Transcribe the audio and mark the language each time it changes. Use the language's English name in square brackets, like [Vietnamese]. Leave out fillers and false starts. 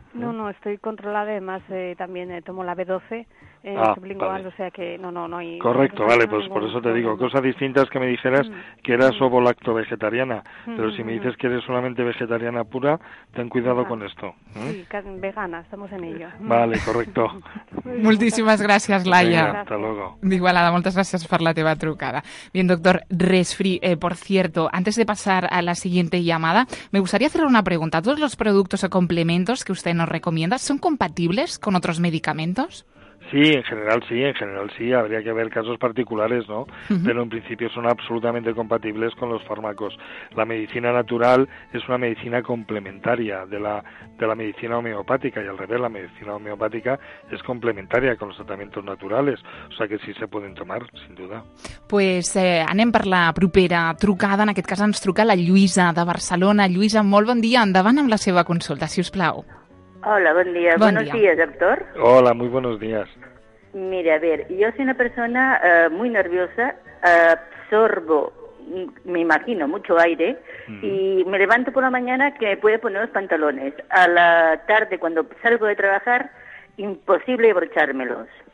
[Spanish] No, estoy controlada, además también tomo la B12 sublingual, o sea que no hay... Correcto, vale, pues por eso te digo, cosas distintas que me dijeras que eras ovo-lacto vegetariana, pero si me dices que eres solamente vegetariana pura, ten cuidado con esto. Sí, vegana, estamos en ello. Vale, correcto. [Catalan] Moltíssimes gràcies, Laia. [Spanish] Hasta luego. [Catalan] Igualada, moltes gràcies per la teva trucada. [Spanish] Bien, doctor Resfri, por cierto, antes de pasar a la siguiente llamada, me gustaría hacerle una pregunta. ¿Todos los productos o complementos que usted nos recomienda son compatibles con otros medicamentos? Sí, en general sí, habría que ver casos particulares, ¿no? Pero en principio son absolutamente compatibles con los fármacos. La medicina natural es una medicina complementaria de la medicina homeopática, y al revés, la medicina homeopática es complementaria con los tratamientos naturales, o sea que sí se pueden tomar, sin duda. [Catalan] Pues anem per la propera trucada, en aquest cas ens truca la Lluïsa de Barcelona. Lluïsa, molt bon dia, endavant amb la seva consulta, si us plau. [Spanish] Hola, buen día. Buenos días, doctor. Hola, muy buenos días. Mire, a ver, yo soy una persona muy nerviosa, absorbo, me imagino, mucho aire, y me levanto por la mañana que me puede poner los pantalones. A la tarde, cuando salgo de trabajar, imposible abrochármelos.